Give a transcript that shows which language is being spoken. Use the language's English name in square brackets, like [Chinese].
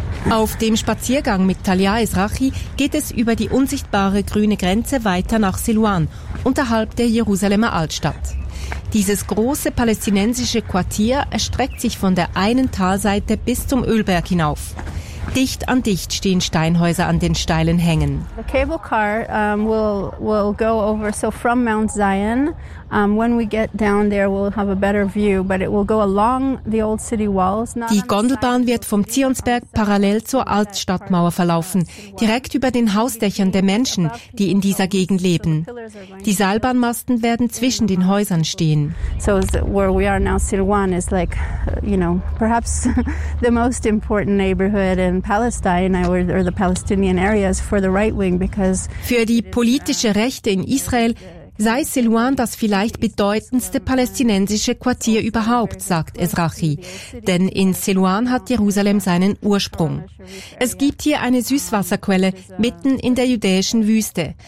[German] Auf dem Spaziergang mit Talia Ezrachi geht es über die unsichtbare grüne Grenze weiter nach Silwan, unterhalb der Jerusalemer Altstadt. Dieses große palästinensische Quartier erstreckt sich von der einen Talseite bis zum Ölberg hinauf. Dicht an dicht stehen Steinhäuser an den steilen Hängen. [English] The cable car will go over, so from Mount Zion. When we get down there, we'll have a better view, but it will go along the old city walls. [German] Die Gondelbahn wird vom Zionsberg parallel zur Altstadtmauer verlaufen, direkt über den Hausdächern der Menschen, die in dieser Gegend leben. Die Seilbahnmasten werden zwischen den Häusern stehen. [English] So where we are now, Silwan, is like, you know, perhaps the most important neighborhood in Palestine or the Palestinian areas for the right wing, because [German] für die politische Rechte in Israel sei Silwan das vielleicht bedeutendste palästinensische Quartier überhaupt, sagt Ezrachi. Denn in Silwan hat Jerusalem seinen Ursprung. Es gibt hier eine Süßwasserquelle mitten in der judäischen Wüste.